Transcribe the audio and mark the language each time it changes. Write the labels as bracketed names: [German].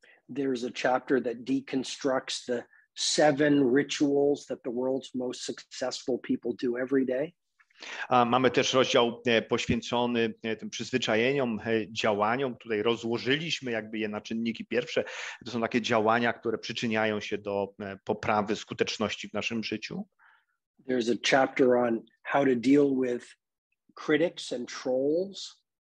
[English] There's a chapter that deconstructs the 7 rituals that the world's most successful people do every day. [Polish] A mamy też rozdział poświęcony tym przyzwyczajeniom, działaniom. Tutaj rozłożyliśmy jakby je na czynniki pierwsze. To są takie działania, które przyczyniają się do poprawy skuteczności w naszym życiu. [English] There's a chapter on how to deal with critics and trolls.